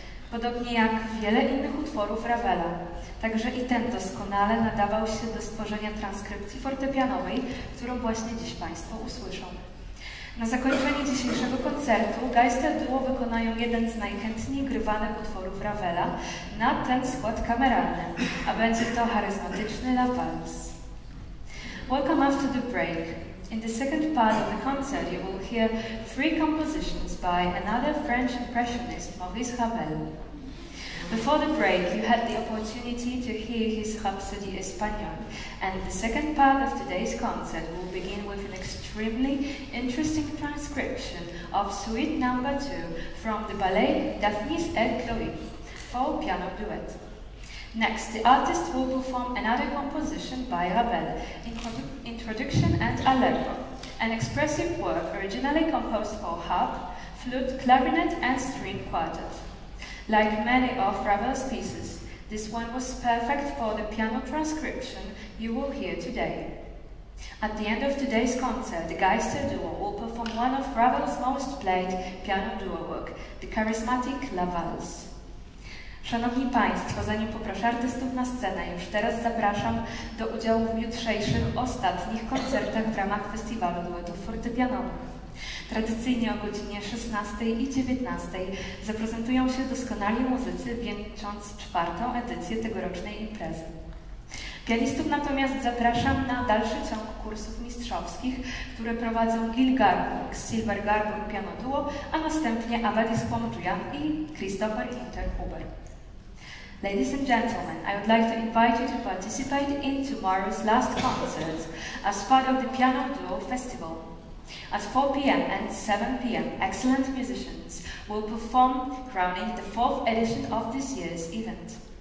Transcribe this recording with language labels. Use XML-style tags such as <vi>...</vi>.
<pl>Podobnie jak wiele innych utworów Ravela, także i ten doskonale nadawał się do stworzenia transkrypcji fortepianowej, którą właśnie dziś Państwo usłyszą. Na zakończenie dzisiejszego koncertu Geister Duo wykonają jeden z najchętniej grywanych utworów Ravela na ten skład kameralny, a będzie to charyzmatyczny La Valse.</pl> <en>Welcome after the break. In the second part of the concert you will hear three compositions by another French impressionist, Maurice Ravel. Before the break, you had the opportunity to hear his Rhapsody Espagnol, and the second part of today's concert will begin with an extremely interesting transcription of Suite No. 2 from the ballet Daphne et Chloé for piano duet. Next, the artist will perform another composition by Ravel, Introduction and Allegro, an expressive work originally composed for harp, flute, clarinet and string quartet. Like many of Ravel's pieces, this one was perfect for the piano transcription you will hear today. At the end of today's concert, the Geister Duo will perform one of Ravel's most played piano duo work, the charismatic La Valse.</en> <pl>Szanowni Państwo, zanim poproszę artystów na scenę, już teraz zapraszam do udziału w jutrzejszych, ostatnich koncertach w ramach Festiwalu Duetów Fortepianowych. Tradycyjnie o godzinie 16 i 19 zaprezentują się doskonali muzycy, wieńcząc czwartą edycję tegorocznej imprezy. Pianistów natomiast zapraszam na dalszy ciąg kursów mistrzowskich, które prowadzą Gil Garbung, Silver Garbung Piano Duo, a następnie Abadis Pomdrian i Christopher Interhuber.</pl> <en>Ladies and gentlemen, I would like to invite you to participate in tomorrow's last concert as part of the Piano Duo Festival. At 4 p.m. and 7 p.m., excellent musicians will perform crowning the fourth edition of this year's event.</en>